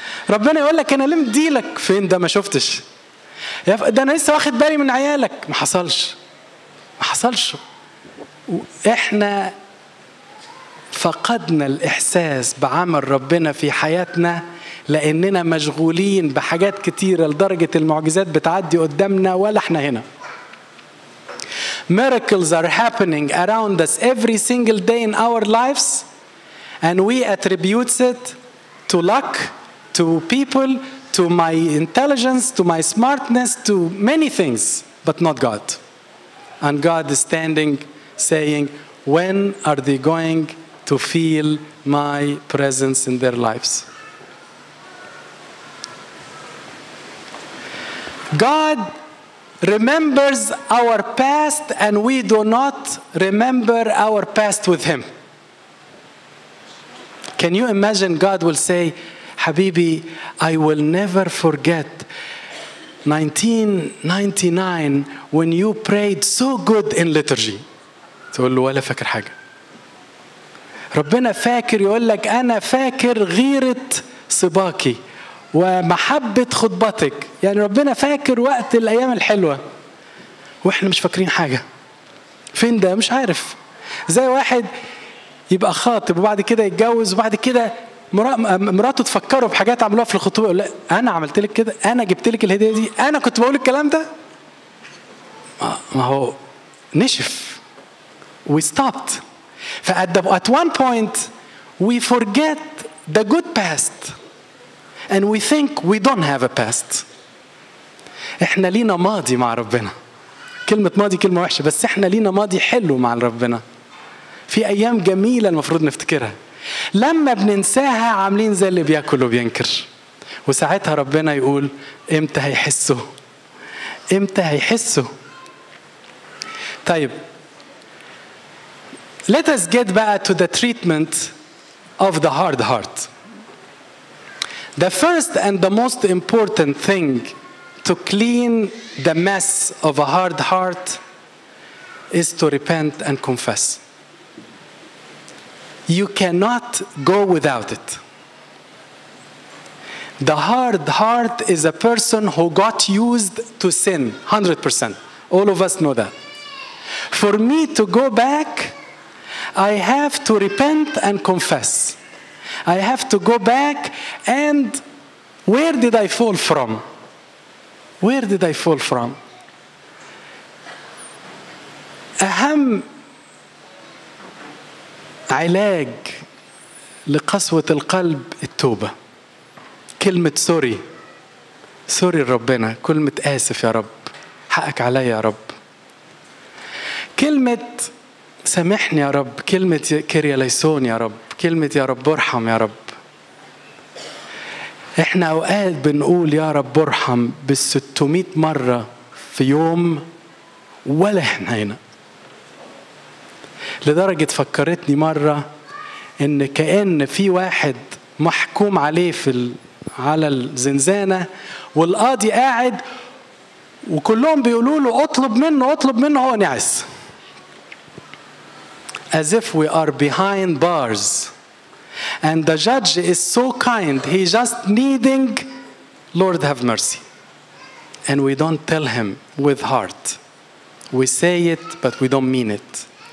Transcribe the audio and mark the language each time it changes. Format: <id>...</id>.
<ar>ربنا يقول لك انا ليه مديلك، فين ده ما شفتش. ده انا لسه واخد بالي من عيالك، ما حصلش. واحنا فقدنا الاحساس بعمل ربنا في حياتنا لاننا مشغولين بحاجات كتيرة لدرجة المعجزات بتعدي قدامنا ولا احنا هنا.</ar> <en>Miracles are happening around us every single day in our lives and we attribute it to luck, to people, to my intelligence, to my smartness, to many things, but not God. And God is standing saying, when are they going to feel my presence in their lives? God remembers our past and we do not remember our past with him. Can you imagine God will say, Habibi, I will never forget 1999 when you prayed so good in liturgy.</en> <ar>تقول له ولا فاكر حاجة. ربنا فاكر، يقول لك أنا فاكر غيرة صباكي ومحبة خطبتك. يعني ربنا فاكر وقت الأيام الحلوة وإحنا مش فاكرين حاجة. فين ده؟ مش عارف. زي واحد يبقى خاطب وبعد كده يتجوز وبعد كده مراته تفكروا بحاجات عملوها في الخطوبة، يقول لأ أنا عملت لك كده، أنا جبت لك الهدية دي، أنا كنت بقول الكلام ده. ما هو نشف.</ar> <en>We stopped. At one point we forget the good past and we think we don't have a past.</en> <ar>إحنا لينا ماضي مع ربنا. كلمة ماضي كلمة وحشة، بس إحنا لينا ماضي حلو مع ربنا. في أيام جميلة المفروض نفتكرها. لما بننساها عاملين زي اللي بياكل وبينكر، وساعتها ربنا يقول امتى هيحسوا، امتى هيحسوا.</ar> <en>طيب let us get back to the treatment of the hard heart. The first and the most important thing to clean the mess of a hard heart is to repent and confess. You cannot go without it. The hard heart is a person who got used to sin, 100%. All of us know that. For me to go back, I have to repent and confess. I have to go back and where did I fall from? Where did I fall from?</en> <ar>أهم علاج لقسوة القلب التوبة. كلمة سوري. سوري ربنا. كلمة آسف يا رب. حقك علي يا رب. كلمة سامحني يا رب. كلمة كيريا ليسون يا رب. كلمة يا رب ارحم يا رب. احنا اوقات بنقول يا رب ارحم بالستمائة مرة في يوم ولا احنا هنا. لدرجة فكرتني مرة ان كأن في واحد محكوم عليه في على الزنزانة والقاضي قاعد وكلهم بيقولوا له اطلب منه اطلب منه هو نعس.</ar> <en>As if we are behind bars. And the judge is so kind, he just needing, Lord have mercy. And we don't tell him with heart. We say it, but we don't mean it.</en>